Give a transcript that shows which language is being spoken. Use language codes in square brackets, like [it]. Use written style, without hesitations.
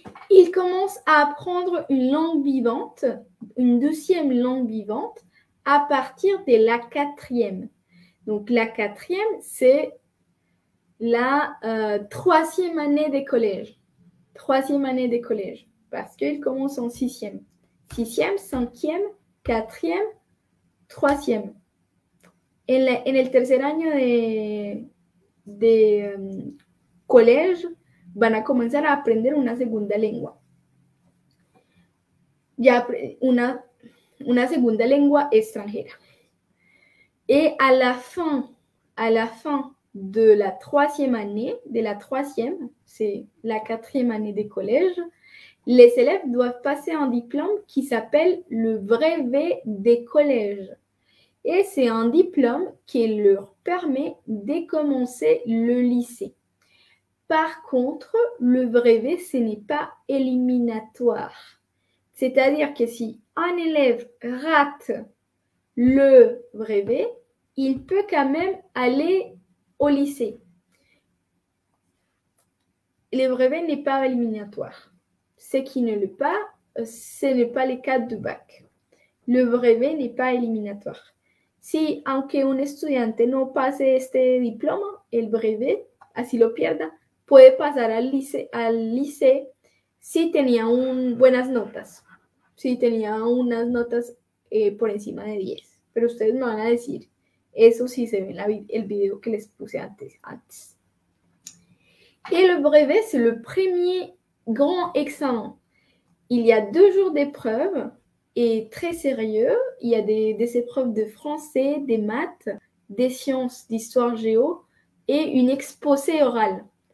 [fr] Ils commencent à apprendre une langue vivante, une deuxième langue vivante, à partir de la quatrième. Donc la quatrième, c'est la troisième année des collèges. Troisième année des collèges, parce qu'ils commencent en sixième. Sixième, cinquième, quatrième, troisième. [es] En el tercer año de collège, van a comenzar a aprender una segunda lengua. Ya una segunda lengua extranjera. [fr] Et à la fin de la troisième année, c'est la quatrième année des collèges, les élèves doivent passer un diplôme qui s'appelle le brevet des collèges. Et c'est un diplôme qui leur permet de commencer le lycée. Par contre, le brevet, ce n'est pas éliminatoire. C'est-à-dire que si un élève rate le brevet, il peut quand même aller au lycée. Le brevet n'est pas éliminatoire. Ce qui ne l'est pas, ce n'est pas les cas de bac. Le brevet n'est pas éliminatoire. [es] Si, aunque un estudiante no pase este diploma, el brevet, así lo pierda, puede pasar al lycée si tenía buenas notas, si tenía unas notas por encima de 10. Pero ustedes me van a decir eso si se ve en el video que les puse antes. Y el [fr] brevet, c'est le premier grand examen. Il y a deux jours d'épreuve et très sérieux. Il y a des épreuves de français, des maths, des sciences, d'histoire géo et une exposée orale.